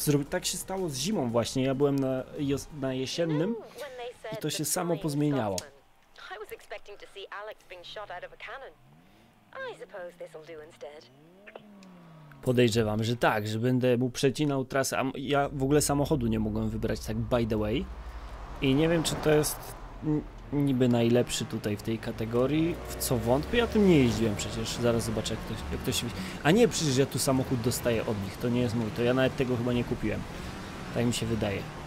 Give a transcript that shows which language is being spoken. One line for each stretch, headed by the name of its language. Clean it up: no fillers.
Polish: Tak się stało z zimą właśnie, ja byłem na jesiennym i to się samo pozmieniało.
English: I was expecting to see Alex being shot out of a cannon. I suppose this'll do instead.
Polish: Podejrzewam, że tak, że będę mu przecinał trasę. A ja w ogóle samochodu nie mogłem wybrać, tak
English: by the way.
Polish: I nie wiem, czy to jest niby najlepszy tutaj w tej kategorii. W co wątpię? Ja tym nie jeździłem przecież. Zaraz zobaczę, jak ktoś się... A nie, przecież ja tu samochód dostaję od nich. To nie jest mój. To ja nawet tego chyba nie kupiłem. Tak mi się wydaje.